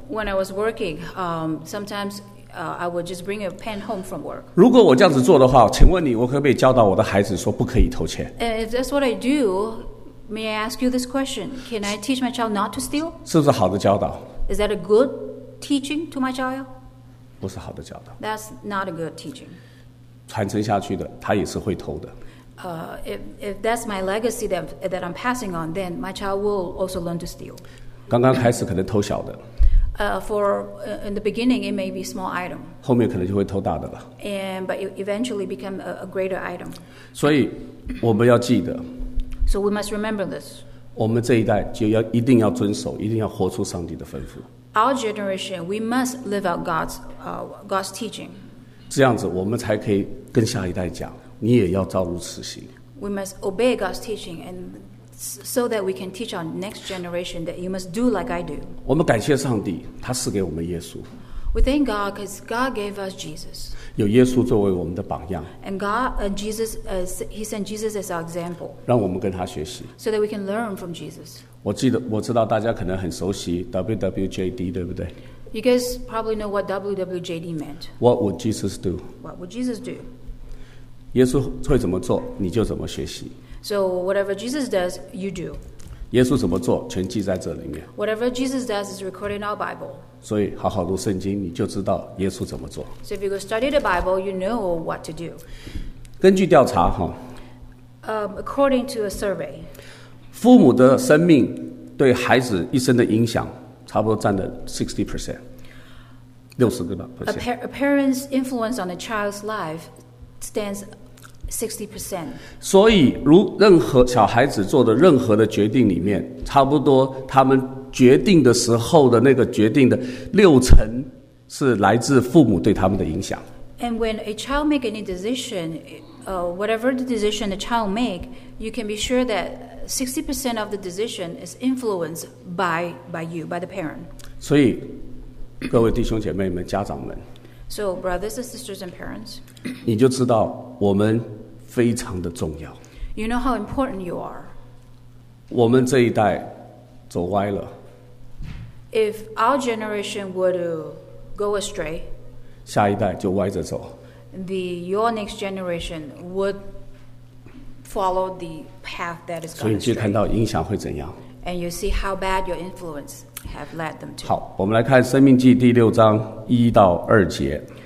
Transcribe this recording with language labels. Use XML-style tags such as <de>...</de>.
<en>When I was working, sometimes I would just bring a pen home from work.</en> <zh>如果我这样子做的话，请问你，我可不可以教导我的孩子说不可以偷窃？</zh> <en>If that's what I do, may I ask you this question? Can I teach my child not to steal?</en> <zh>是不是好的教导？</zh> <en>Is that a good teaching to my child?</en> <zh>不是好的教导。</zh> <en>That's not a good teaching.</en> <zh>传承下去的，他也是会偷的。</zh> <en>If that's my legacy that I'm passing on, then my child will also learn to steal.</en> <zh>刚刚开始可能偷小的。</zh> <en>In the beginning, it may be small item.</en> <zh>后面可能就会偷大的了。</zh> <en>But it eventually become a greater item.</en> <zh>所以我们要记得。</zh> <en>So we must remember this.</en> <zh>我们这一代就要一定要遵守，一定要活出上帝的吩咐。</zh> <en>Our generation, we must live out God's teaching.</en> <zh>这样子我们才可以跟下一代讲，你也要照如此行。</zh> <en>We must obey God's teaching and so that we can teach our next generation that you must do like I do.</en> <zh>我们感谢上帝，他赐给我们耶稣。</zh> <en>We thank God because God gave us Jesus.</en> <zh>有耶稣作为我们的榜样。</zh> <en>And God, Jesus, He sent Jesus as our example.</en> <zh>让我们跟他学习。</zh> <en>So that we can learn from Jesus.</en> <zh>我知道大家可能很熟悉 WWJD, 对不对？</zh> <en>You guys probably know what WWJD meant. What would Jesus do? What would Jesus do?</en> <zh>耶稣会怎么做，你就怎么学习。</zh> <en>So whatever Jesus does, you do.</en> <zh>耶稣怎么做，全记在这里面。</zh> <en>Whatever Jesus does is recorded in our Bible.</en> <zh>所以好好读圣经，你就知道耶稣怎么做。</zh> <en>So if you go study the Bible, you know what to do.</en> <zh>根据调查，</zh> <en>according to a survey,</en> <zh>父母的生命对孩子一生的影响，差不多占了 60%， 60%。</zh> <en>A parent's influence on a child's life stands 60%.</en> <zh>所以，如任何小孩子做的任何的决定里面，差不多他们。决定的时候的那个决定的六成是来自父母对他们的影响。</zh> <en>And when a child makes any decision, whatever the decision the child makes, you can be sure that 60% of the decision is influenced by you, by the parent.</en> <zh>所以，各位弟兄姐妹们、家长们</zh> <en>，So brothers and sisters and parents,</en> <zh>你就知道我们非常的重要。</zh> <en>You know how important you are.</en> <zh>我们这一代。走歪了。</zh> <en>If our generation were to go astray,</en> <zh>下一代就歪着走。</zh> <en>Your next generation would follow the path that is going astray.</en> <zh>所以你去看到影响会怎样。</zh> <en>And you see how bad your influence have led them to.</en> <zh>好，我们来看《生命记》第六章一到二节。</zh>